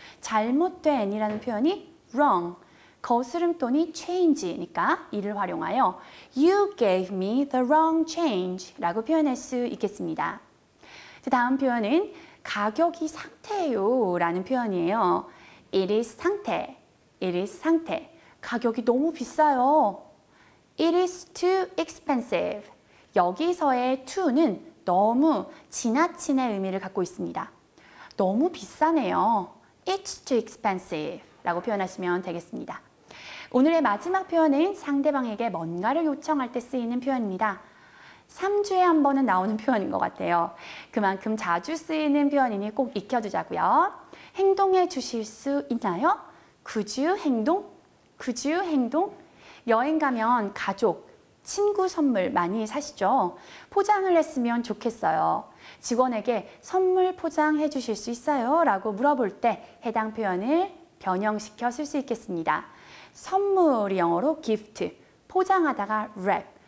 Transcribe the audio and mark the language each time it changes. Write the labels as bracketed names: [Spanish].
[Korean] 잘못된이라는 표현이 wrong. 거스름돈이 change니까 이를 활용하여 [English] You gave me the wrong change [Korean] 라고 표현할 수 있겠습니다. 그 다음 표현은 가격이 상태예요 라는 표현이에요. [English] It is 상태, it is 상태. [Korean] 가격이 너무 비싸요. [English] It is too expensive. [Korean] 여기서의 too는 너무 지나친의 의미를 갖고 있습니다. 너무 비싸네요. [English] It's too expensive [Korean] 라고 표현하시면 되겠습니다. 오늘의 마지막 표현은 상대방에게 뭔가를 요청할 때 쓰이는 표현입니다. 3주에 한 번은 나오는 표현인 것 같아요. 그만큼 자주 쓰이는 표현이니 꼭 익혀두자고요. 행동해 주실 수 있나요? [English] Could you 행동? Could you 행동? [Korean] 여행 가면 가족, 친구 선물 많이 사시죠? 포장을 했으면 좋겠어요. 직원에게 선물 포장해 주실 수 있어요? 라고 물어볼 때 해당 표현을 변형시켜 쓸 수 있겠습니다. 선물이 영어로 gift, 포장하다가 wrap.